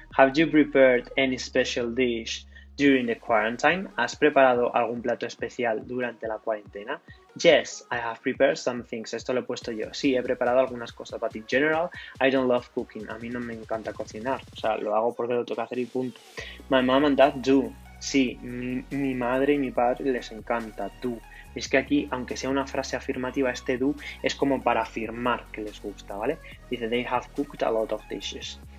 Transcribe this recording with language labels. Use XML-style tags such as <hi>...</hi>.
<en>Have you prepared any special dish during the quarantine?</en> <es>¿Has preparado algún plato especial durante la cuarentena?</es> <en>Yes, I have prepared some things.</en> <es>Esto lo he puesto yo. Sí, he preparado algunas cosas.</es> <en>But in general, I don't love cooking.</en> <es>A mí no me encanta cocinar. O sea, lo hago porque lo tengo que hacer y punto.</es> <en>My mom and dad do.</en> <es>Sí, mi madre y mi padre les encanta. Do. Es que aquí, aunque sea una frase afirmativa, este do es como para afirmar que les gusta, ¿vale?</es> <en>Dice, they have cooked a lot of dishes.</en>